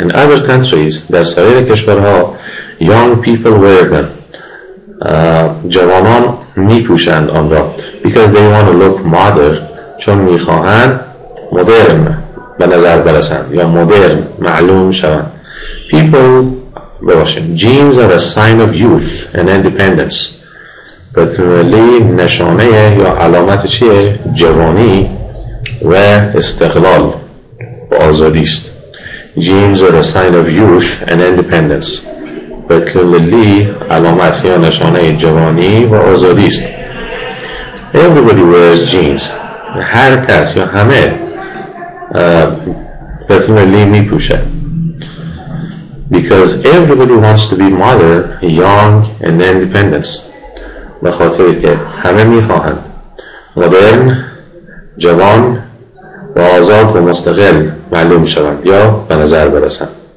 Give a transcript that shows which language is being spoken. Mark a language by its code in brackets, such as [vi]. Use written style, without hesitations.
[en] In other countries, [fa] در سایر کشورها, [en] young people wear them. [fa] جوانان می پوشند آن را. [en] Because they want to look modern. [fa] چون می خواهند مدرن به نظر برسند. یا مدرن معلوم شوند. People باشیم. [en] Jeans are a sign of youth and independence. [fa] پتلون لی نشانه یا علامت چیه؟ جوانی و استقلال و آزادی است. [en] Jeans are a sign of youth and independence. [fa] پتلون لی علامت یا نشانه جوانی و آزادی است. [en] Everybody wears jeans. [fa] هر کس یا همه پتلون لی می پوشه. [en] Because everybody wants to be modern, young, and independent. [fa] به خاطر که همه میخواهند مدرن، جوان و آزاد و مستقل معلوم شوند یا به نظر برسند.